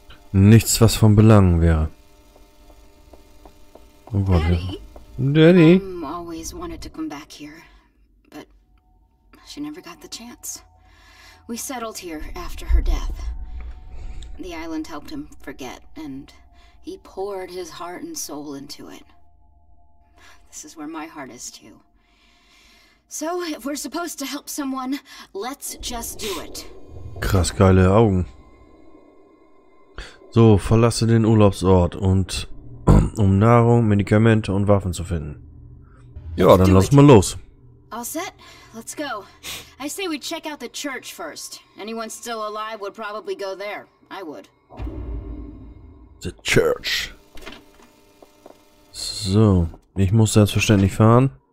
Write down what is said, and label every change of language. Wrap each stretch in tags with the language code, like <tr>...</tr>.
<de>Nichts, was von Belang wäre. Oh Gott,</de> <en>Daddy. Daddy. Mom always wanted to come back here, but she never got the chance. We settled here after her death. The island helped him forget, and he poured his heart and soul into it. This is where my heart is too. So, if we're supposed to help someone, let's just do it.</en> <de>Krass geile Augen. So, verlasse den Urlaubsort und um Nahrung, Medikamente und Waffen zu finden. Ja, dann lass mal los.</de> <en>All set? Let's go. I say we check out the church first. Anyone still alive would probably go there. I would. The church.</en> <de>So, ich muss selbstverständlich fahren.</de>